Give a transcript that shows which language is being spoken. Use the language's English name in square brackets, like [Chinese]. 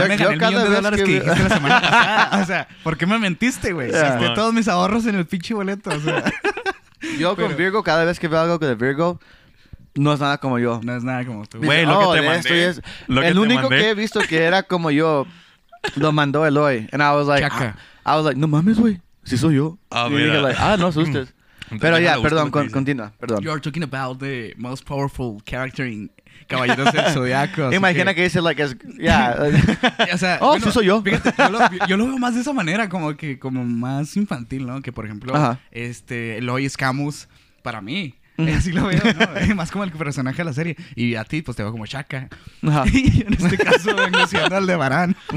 [Spanish] Yo me gané el millón de dólares que dijiste la semana pasada. O sea, ¿por qué me mentiste, güey? Yeah. Si todos mis ahorros en el pinche boleto, o sea. Yo con Virgo, cada vez que veo algo de Virgo, no es nada como yo. No es nada como tú. Güey, lo que te mandé. Es, lo que el único mandé. Que he visto que era como yo, lo mandó Eloy. [English] And I was like, [Spanish] no mames, güey, si soy yo. Oh, y mira. Dije, like, ah, no asustes. Pero ya, perdón, continúa, perdón. [English] You are talking about the most powerful character in Caballeros del Zodiaco. [Spanish] Imagina que dice, like, yeah. O sea, oh, bueno, sí soy yo. Fíjate, yo lo veo más de esa manera, como que, como más infantil, ¿no? Que, por ejemplo, Eloy es Camus para mí. Así lo veo, ¿no? Más como el personaje de la serie. Y a ti, pues, te veo como Shaka. Ajá. Y en este caso, vengo siendo el de Barán.